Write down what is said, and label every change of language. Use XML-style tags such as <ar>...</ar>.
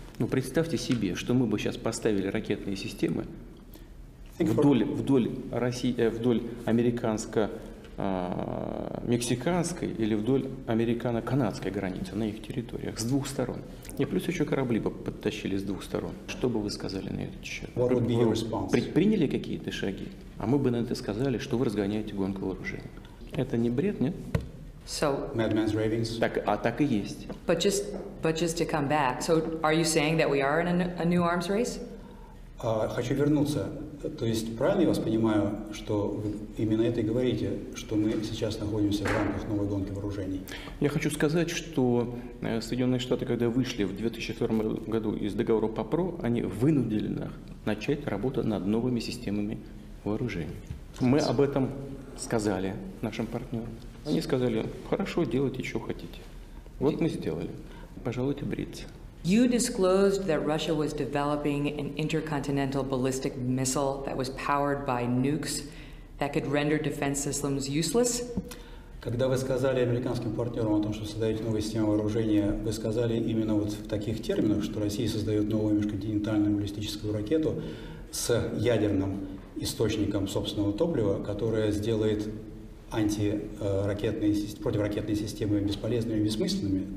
<ru>Но представьте себе, что мы бы сейчас поставили ракетные системы вдоль американско-мексиканской или вдоль американо-канадской границы на их территориях с двух сторон. И плюс еще корабли бы подтащили с двух сторон. Что бы вы сказали на этот счет?</ru> <en>What would be your response?</en> <ru>Предприняли какие-то шаги? А мы бы на это сказали, что вы разгоняете гонку вооружений. Это не бред, нет?</ru> <en>So, Madman's ravings.</en> <ru>Так и есть.</ru> <en>But just to come back, so are you saying that we are in a new arms race?</en> <ru>Хочу вернуться. То есть правильно я вас понимаю, что вы именно это и говорите, что мы сейчас находимся в рамках новой гонки вооружений? Я хочу сказать, что Соединенные Штаты, когда вышли в 2002 году из договора по ПРО, они вынуждены начать работу над новыми системами вооружений. Мы об этом сказали нашим партнерам. Они сказали, хорошо, делайте, что хотите. Вот мы сделали. Пожалуйте бриться.</ru> <en>You disclosed that Russia was developing an intercontinental ballistic missile that was powered by nukes that could render defense systems useless?</en> <ru>Когда вы сказали американским партнерам о том, что создаете новую систему вооружения, вы сказали именно вот в таких терминах, что Россия создает новую межконтинентальную баллистическую ракету с ядерным источником собственного топлива, которое сделает антиракетные, противоракетные системы бесполезными и бессмысленными.</ru>